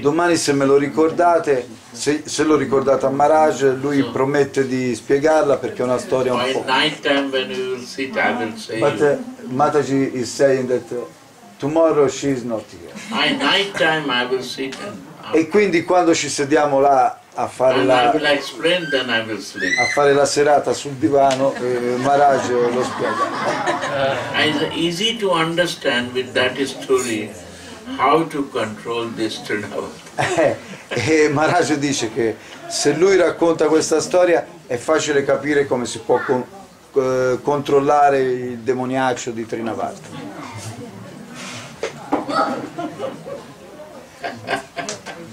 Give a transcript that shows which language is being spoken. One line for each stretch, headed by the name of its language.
Italian: Domani, se me lo ricordate, se lo ricordate a Maharaj, lui so, promette di spiegarla perché è una storia un po'.
English: By night time when you will sit, I will say. But Mataji is saying that tomorrow she is not here. By night time I will sit.
Italian: E quindi quando ci sediamo là a fare
English: and
Italian: la
English: I will explain, then I will sleep.
Italian: A fare la serata sul divano, Maharaj lo spiega.
English: It's easy to understand with that story how to control this Trinavat.
Italian: E Maharaj dice che se lui racconta questa storia è facile capire come si può controllare il demoniaccio di Trinavat.